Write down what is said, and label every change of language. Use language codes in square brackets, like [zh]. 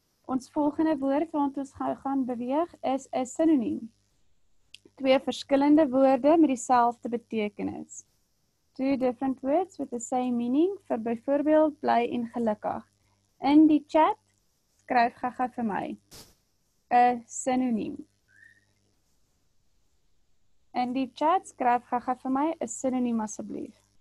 [af] Ons volgende woord wat ons gaan beweeg is 'n sinoniem. Twee verskillende woorde met dieselfde betekenis. [en] Two different words with the same meaning, [af] vir byvoorbeeld bly en gelukkig. In die chat skryf gaga vir my. 'n sinoniem. En die chat skryf gaga vir my 'n sinoniem asseblief.